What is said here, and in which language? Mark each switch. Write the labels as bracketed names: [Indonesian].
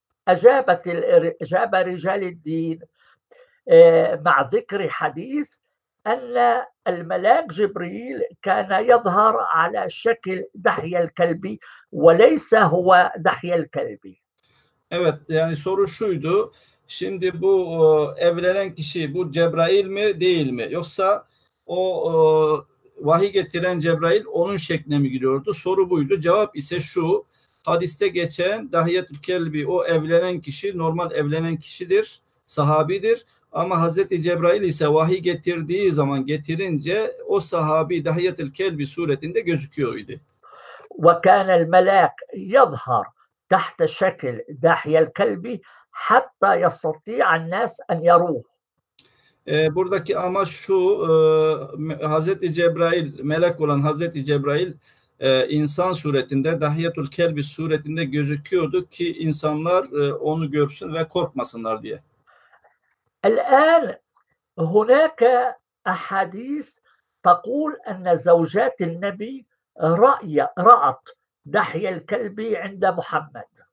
[Arabic] أجاب رجال الدين مع ذكر حديث أن الملاك جبريل كان يظهر على شكل دحية الكلبي وليس هو دحية الكلبي. [Turkish] Evet yani soru şuydu. Şimdi bu evlenen kişi bu Cebrail mi değil mi? Yoksa o vahiy getiren Cebrail onun şekline mi giriyordu? Soru buydu. Cevap ise şu. Hadiste geçen Dahiyetül Kelbi o evlenen kişi normal evlenen kişidir. Sahabidir. Ama Hazreti Cebrail ise vahiy getirdiği zaman getirince o sahabi Dahiyetül Kelbi suretinde gözüküyor idi. [Arabic] وكان الملاك يظهر تحت شكل داحية الكلب حتى يستطيع الناس أن يروه. [Turkish] Buradaki amaç şu, Hazreti Cebrail, melek olan Hazreti Cebrail insan suretinde, Dahiyetül Kelbi suretinde gözüküyordu ki insanlar onu görsün ve korkmasınlar diye. [Arabic] الآن هناك أحاديث تقول أن زوجات النبي رأي رأت دحي الكلب عند محمد.